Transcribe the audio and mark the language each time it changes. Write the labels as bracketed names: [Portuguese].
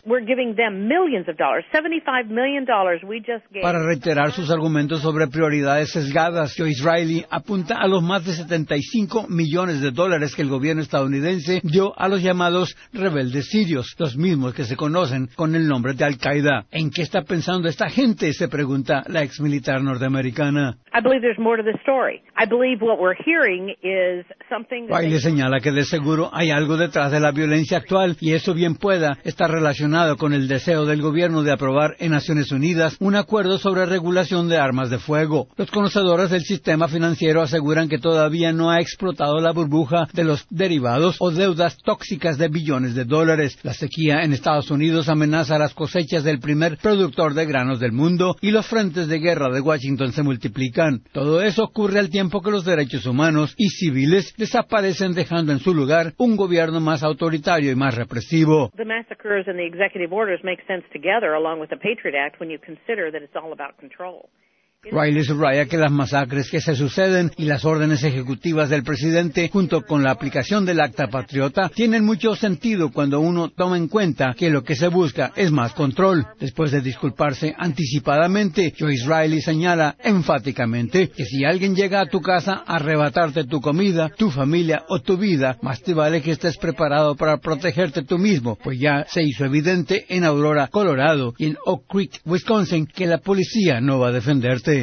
[English] We're giving them millions of dollars, $75 million we just gave. [Spanish] Para reiterar sus argumentos sobre prioridades sesgadas, Joe Israeli apunta a los más de 75 millones de dólares que el gobierno estadounidense dio a los llamados rebeldes sirios, los mismos que se conocen con el nombre de Al-Qaeda. ¿En qué está pensando esta gente?, se pregunta la ex militar norteamericana. [English] I believe there's more to the story. I believe what we're hearing is something that [Spanish] Riley señala que de seguro hay algo detrás de la violencia actual, y eso bien pueda estar relacionado con el deseo del gobierno de aprobar en Naciones Unidas un acuerdo sobre regulación de armas de fuego. Los conocedores del sistema financiero aseguran que todavía no ha explotado la burbuja de los derivados o deudas tóxicas de billones de dólares. La sequía en Estados Unidos amenaza las cosechas del primer productor de granos del mundo, y los frentes de guerra de Washington se multiplican. Todo eso ocurre al tiempo que los derechos humanos y civiles desaparecen, dejando en su lugar un gobierno más autoritario y más represivo. [English] The massacres and the executive orders make sense together along with the Patriot Act when you consider that it's all about control. [Spanish] Riley subraya que las masacres que se suceden y las órdenes ejecutivas del presidente, junto con la aplicación del Acta Patriota, tienen mucho sentido cuando uno toma en cuenta que lo que se busca es más control. Después de disculparse anticipadamente, Joe Israeli señala enfáticamente que si alguien llega a tu casa a arrebatarte tu comida, tu familia o tu vida, más te vale que estés preparado para protegerte tú mismo, pues ya se hizo evidente en Aurora, Colorado, y en Oak Creek, Wisconsin, que la policía no va a defenderte.